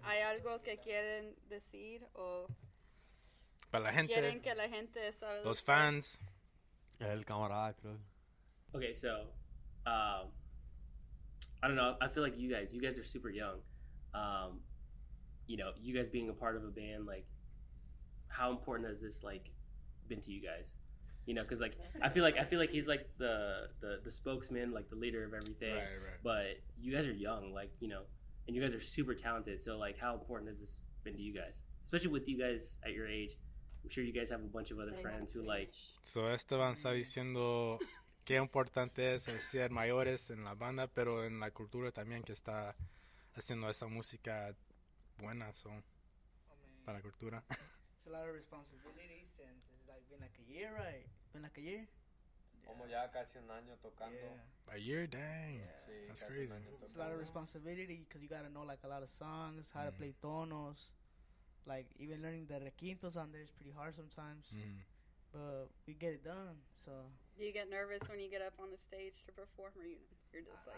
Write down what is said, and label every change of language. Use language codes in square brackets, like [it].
[es] ¿Hay algo que quieren decir, o para la gente, quieren que la gente sabe? Los fans. El camarada, creo. [en] Okay, so, I don't know, I feel like you guys are super young, you know, you guys being a part of a band, like, how important has this, like, been to you guys? You know, because, like, I feel like he's, like, the spokesman, like, the leader of everything. Right, right. But you guys are young, like, you know, and you guys are super talented. So, like, how important has this been to you guys? Especially with you guys at your age. I'm sure you guys have a bunch of other friends who, like... So, [es] Esteban está diciendo qué importante es el ser mayores en la banda, pero en la cultura también, que está haciendo esa música buena, [en] so, [es] para la cultura. [en] A lot of responsibilities since it's like been like a year, right? Been like a year? [es] Como ya casi un año tocando. [en] A year, dang. Yeah. [es] Sí, [en] that's crazy. It's a lot of responsibility because you got to know like a lot of songs, how to play tonos. Like even learning the requintos on there is pretty hard sometimes. But we get it done, so. Do you get nervous when you get up on the stage to perform, or you're just like,